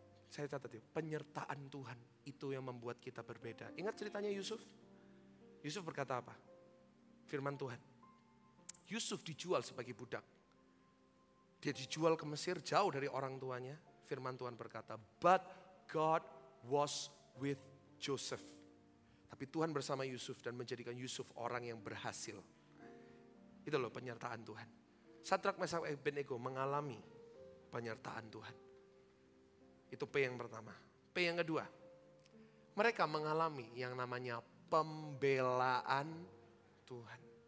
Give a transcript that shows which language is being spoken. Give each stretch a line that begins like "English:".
Indonesian: Saya catat ya, penyertaan Tuhan itu yang membuat kita berbeda. Ingat ceritanya Yusuf? Yusuf berkata apa? Firman Tuhan. Yusuf dijual sebagai budak. Dia dijual ke Mesir jauh dari orang tuanya. Firman Tuhan berkata,
English: but God was with Joseph.
Indonesian: Tapi Tuhan bersama Yusuf dan menjadikan Yusuf orang yang berhasil. Itu loh penyertaan Tuhan. Shadrach, Meshach, dan Abednego mengalami penyertaan Tuhan. Itu P yang pertama. P yang kedua, mereka mengalami yang namanya pembelaan Tuhan.